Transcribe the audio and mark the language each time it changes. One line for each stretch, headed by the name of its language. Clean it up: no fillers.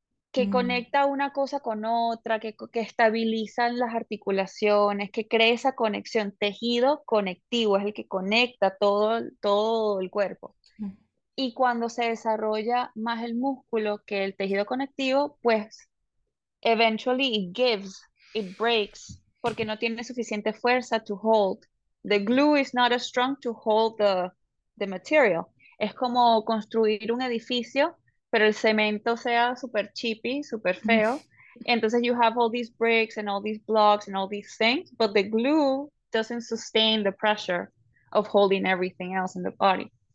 Spanish: que conecta una cosa con otra, que estabilizan las articulaciones, que crea esa conexión, tejido conectivo, es el que conecta todo el cuerpo. Y cuando se desarrolla más el músculo que el tejido conectivo, pues
English: eventually it gives, it breaks,
Spanish: porque no tiene suficiente fuerza
English: to hold. The glue is not as strong to hold the material.
Spanish: Es como construir un edificio, pero el cemento sea súper chippy, súper feo.
English: Entonces you have all these bricks and all these blocks and all these things, but the glue doesn't sustain the pressure of holding everything else in the body.